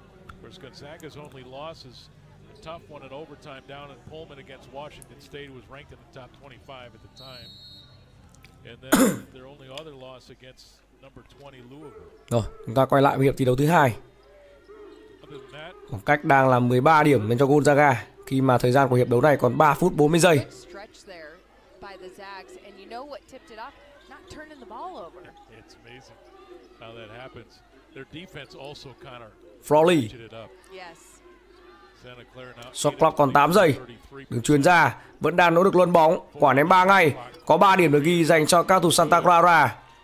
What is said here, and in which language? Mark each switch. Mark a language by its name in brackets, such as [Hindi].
[English] Of course, Gonzaga's only loss is a tough one in overtime down in Pullman against Washington State, who was ranked in the top 25 at the time. And then their only other loss against number 20 Louisville. [Vietnamese] Rồi, chúng ta quay lại với hiệp thi đấu thứ hai. Khoảng cách đang là 13 điểm đến cho Gonzaga khi mà thời gian của hiệp đấu này còn 3 phút 40 giây. [English] Stretch there by the Zags, and you know what tipped it up? Not turning the ball over. It's amazing how that happens. Their defense also kind of ratcheted it up. Yes. Santa Clara now. Shot clock [Vietnamese] còn 8 giây. Đường chuyền ra vẫn đang nỗ lực luân bóng. Quả ném 3 ngay. Có 3 điểm được ghi dành cho các thủ Santa Clara.